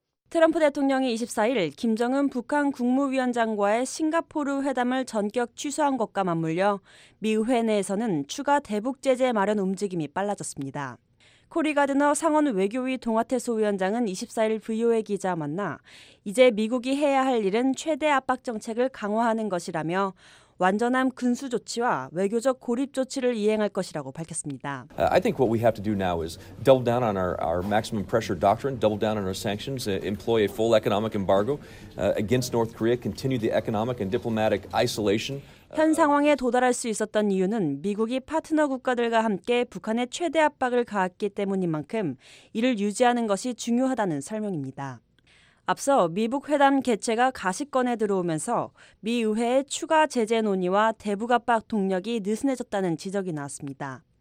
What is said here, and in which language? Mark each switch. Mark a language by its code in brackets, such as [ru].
[ko] 트럼프 대통령이 24일 김정은 북한 국무위원장과의 싱가포르 회담을 전격 취소한 것과 맞물려 미 의회 내에서는 추가 대북 제재 마련 움직임이 빨라졌습니다. 코리 가드너 상원 외교위 동아태소 위원장은 24일 VOA 기자와 만나 이제 미국이 해야 할 일은 최대 압박 정책을 강화하는 것이라며 완전한 군수 조치와 외교적 고립 조치를 이행할 것이라고 밝혔습니다. [en] I think what we have to do now is double down on our maximum pressure doctrine, double down on our sanctions, employ a full economic embargo against North Korea, continue the economic and diplomatic isolation. [ko] 현 상황에 도달할 수 있었던 이유는 미국이 파트너 국가들과 함께 북한에 최대 압박을 가했기 때문인 만큼 이를 유지하는 것이 중요하다는 설명입니다. 앞서 미북 회담 개최가 가시권에 들어오면서 미 의회의 추가 제재 논의와 대북 압박 동력이 느슨해졌다는 지적이 나왔습니다.